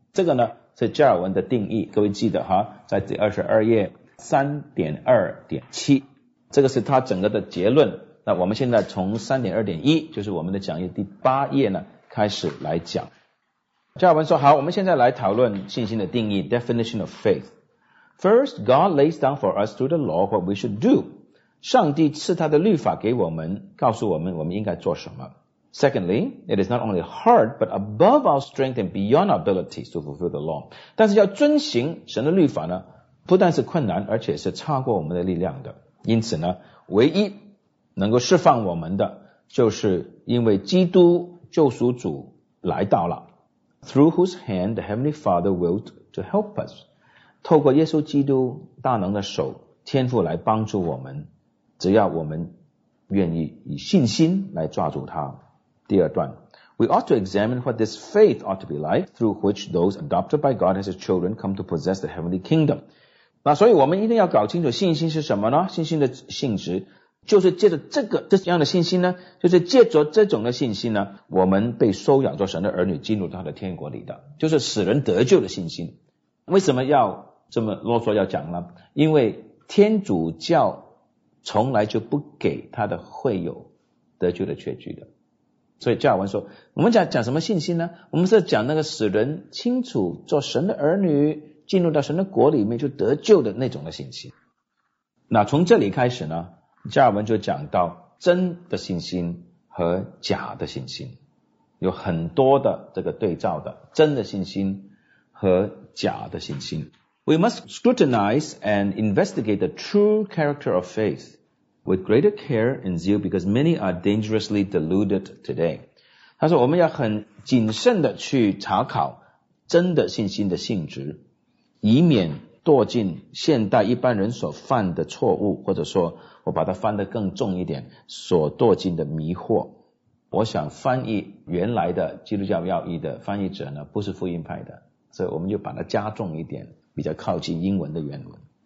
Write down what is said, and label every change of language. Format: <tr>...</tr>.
<zh>这个呢是加尔文的定义，各位记得哈，在第22页 3.2.7， 这个是他整个的结论。那我们现在从 3.2.1， 就是我们的讲义第八页呢开始来讲。加尔文说，好，我们现在来讨论信心的定义</zh> <en>definition of faith. First, God lays down for us through the law what we should do.</en> <zh>上帝赐他的律法给我们，告诉我们我们应该做什么。</zh> <en>Secondly, it is not only hard, but above our strength and beyond our abilities to fulfill the law.</en> <zh>但是要遵行神的律法呢，不但是困难，而且是超过我们的力量的。因此呢，唯一能够释放我们的，就是因为基督救赎主来到了。</zh> <en>Through whose hand the Heavenly Father willed to help us.</en> <zh>透过耶稣基督大能的手，天父来帮助我们，只要我们愿意以信心来抓住他。第二段，</zh> <en>We ought to examine what this faith ought to be like through which those adopted by God as his children come to possess the heavenly kingdom.</en> <zh>那所以我们一定要搞清楚信心是什么呢？信心的性质就是借着这样的信心呢，就是借着这种的信心呢，我们被收养做神的儿女，进入他的天国里的，就是使人得救的信心。为什么要这么啰嗦要讲呢？因为天主教从来就不给他的会友得救的确据的。所以加尔文说，我们讲什么信心呢？我们是讲那个使人清楚做神的儿女，进入到神的国里面就得救的那种的信心。那从这里开始呢，加尔文就讲到真的信心和假的信心，有很多的这个对照的真的信心和假的信心。</zh> <en>We must scrutinize and investigate the true character of faith with greater care and zeal because many are dangerously deluded today.</en> <zh>他说我们要很谨慎的去查考真的信心的性质，以免堕进现代一般人所犯的错误，或者说我把它翻得更重一点，所堕进的迷惑。我想翻译原来的基督教要义的翻译者呢，不是福音派的，所以我们就把它加重一点，比较靠近英文的原文。</zh>